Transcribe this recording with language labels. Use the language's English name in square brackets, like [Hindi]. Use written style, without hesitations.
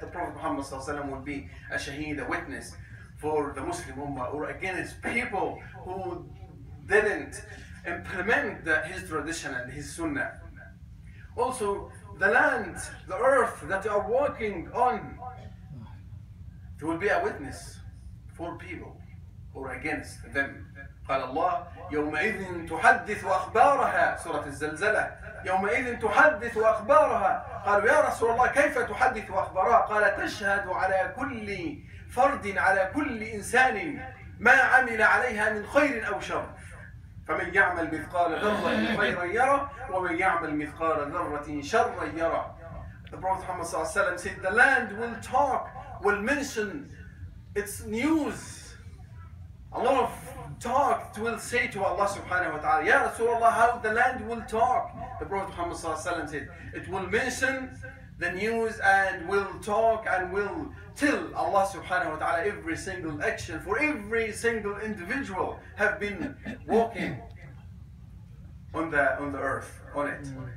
[English] The Prophet Muhammad sallallahu alayhi wa sallam will be a shaheed, a witness for the Muslim Ummah or against people who didn't implement his tradition and his sunnah. Also, the land, the earth that you are walking on, there will be a witness for people or against them. [Arabic] قال الله يومئذ تحدث أخبارها سورة الزلزلة يومئذ تحدث أخبارها. قالوا يا رسول الله كيف تحدث أخبارها؟ قال تشهد على كل فرد على كل إنسان ما عمل عليها من خير أو شر فمن يعمل مثقال ذرة خيرا يرى ومن يعمل مثقال ذرة شرا يرى. [English] The Prophet Muhammad [Arabic] صلى الله عليه وسلم [English] said the land will talk, will mention its news. A lot of talk will say to Allah subhanahu wa ta'ala, Ya Rasulullah, how the land will talk? The Prophet Muhammad sallallahu alayhi wa sallam said, it will mention the news and will talk and will tell Allah subhanahu wa ta'ala every single action for every single individual have been walking on the earth, on it.